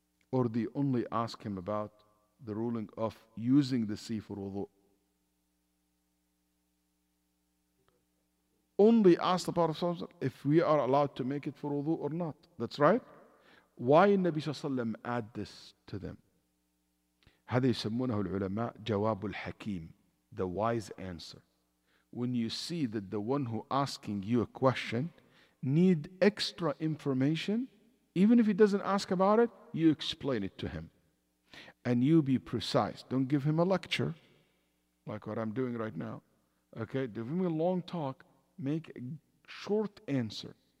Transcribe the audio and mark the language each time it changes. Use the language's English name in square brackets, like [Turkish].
[English] Or they only ask him about the ruling of using the sea for wudu? Only ask the Prophet ﷺ if we are allowed to make it for wudu or not. That's right. Why Nabi Sallallahu Alaihi Wasallam add this to them? [Arabic] هذا يسمونه العلماء جواب الحكيم, [English] the wise answer. When you see that the one who asking you a question need extra information, even if he doesn't ask about it, you explain it to him. And you be precise. Don't give him a lecture, like what I'm doing right now. Okay, give him a long talk, make a short answer.